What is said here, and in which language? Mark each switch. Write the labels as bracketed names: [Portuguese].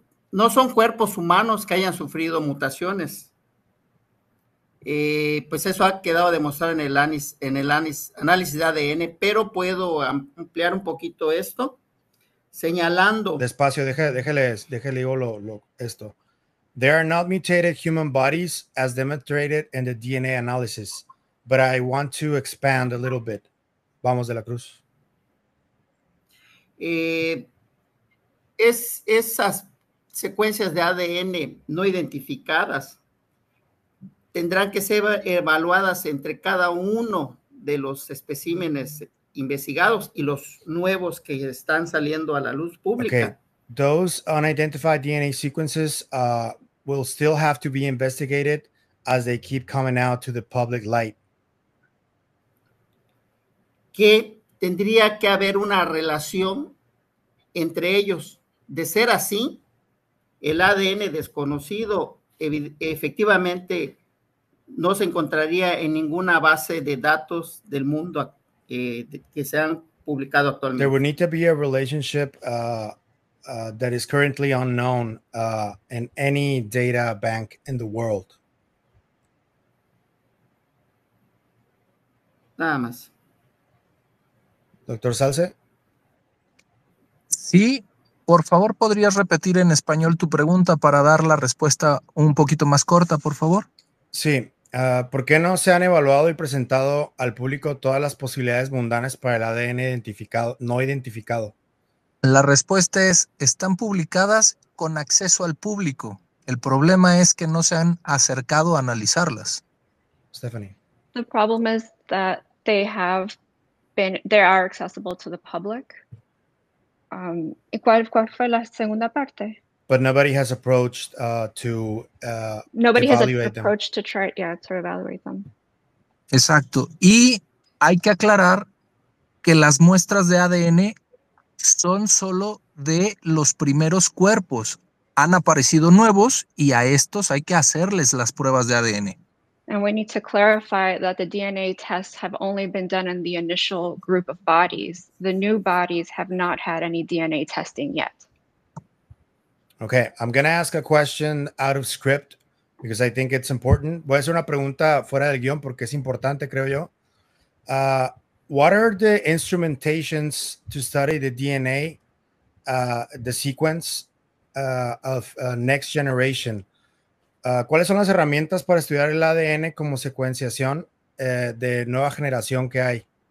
[Spanish] No son cuerpos humanos que hayan sufrido mutaciones. Pues eso ha quedado demostrado en el análisis de ADN, pero puedo ampliar un poquito esto señalando. Despacio, déjele digo esto. [English] They are not mutated human bodies as demonstrated in the DNA analysis, but I want to expand a little bit. [Spanish] Vamos, De La Cruz. Esas secuencias de ADN no identificadas tendrán que ser evaluadas entre cada uno de los especímenes investigados y los nuevos que están saliendo a la luz pública. [English] Okay. Those unidentified DNA sequences will still have to be investigated as they keep coming out to the public light. [Spanish] Que tendría que haber una relación entre ellos. De ser así, el ADN desconocido efectivamente no se encontraría en ninguna base de datos del mundo que se han publicado actualmente. [English] There would need to be a relationship that is currently unknown in any data bank in the world. [Spanish] Nada más. Doctor Salce. Sí, por favor, ¿podrías repetir en español tu pregunta para dar la respuesta un poquito más corta, por favor? Sí. ¿Por qué no se han evaluado y presentado al público todas las posibilidades mundanas para el ADN identificado, no identificado? La respuesta es, están publicadas con acceso al público. El problema es que no se han acercado a analizarlas. Stephanie. [English] The problem is that they have been, they are accessible to the public. [Spanish] ¿Y cuál fue la segunda parte? [English] But nobody has approached to evaluate them. [Spanish] Exacto. Y hay que aclarar que las muestras de ADN son solo de los primeros cuerpos. Han aparecido nuevos y a estos hay que hacerles las pruebas de ADN. [English] And we need to clarify that the DNA tests have only been done in the initial group of bodies. The new bodies have not had any DNA testing yet. Okay, I'm going to ask a question out of script because I think it's important. [Spanish] Voy a hacer una pregunta fuera del guión porque es importante, creo yo. [English] What are the instrumentations to study the DNA, the sequence of next generation? [Spanish] ¿Cuáles son las herramientas para estudiar el ADN como secuenciación de nueva generación que hay?